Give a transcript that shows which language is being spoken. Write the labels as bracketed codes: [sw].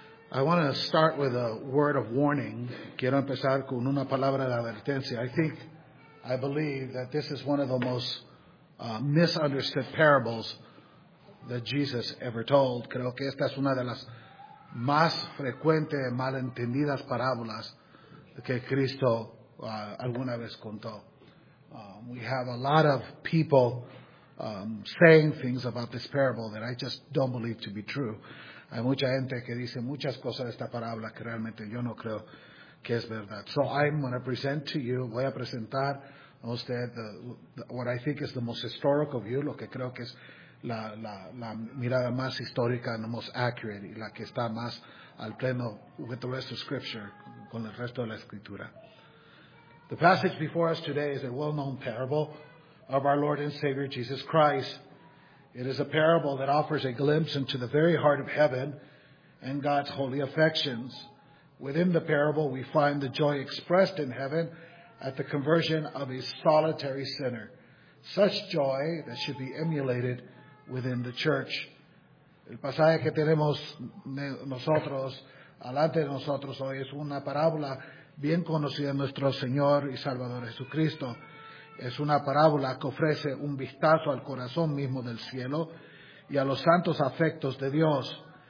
[en] I want to start with a word of warning. [es] Quiero empezar con una palabra de advertencia. [en] I believe that this is one of the most misunderstood parables that Jesus ever told. [es] Creo que esta es una de las más frecuentes malentendidas parábolas que Cristo alguna vez contó. [en] We have a lot of people saying things about this parable that I just don't believe to be true. [es] Hay mucha gente que dice muchas cosas de esta parábola que realmente yo no creo que es verdad. [en] So I'm going to present to you, [es] voy a presentar a usted [en] what I think is the most historical view, [es] lo que creo que es la mirada más histórica, [en] the most accurate, [es] y la que está más al pleno [en] with the rest of Scripture, [es] con el resto de la Escritura. [en] The passage before us today is a well-known parable of our Lord and Savior Jesus Christ. It is a parable that offers a glimpse into the very heart of heaven and God's holy affections. Within the parable, we find the joy expressed in heaven at the conversion of a solitary sinner, such joy that should be emulated within the church. [es] El pasaje que tenemos nosotros, alante de nosotros hoy, es una parábola bien conocida en nuestro Señor y Salvador Jesucristo. Es una parábola que ofrece un vistazo al corazón mismo del cielo y a los santos afectos de Dios.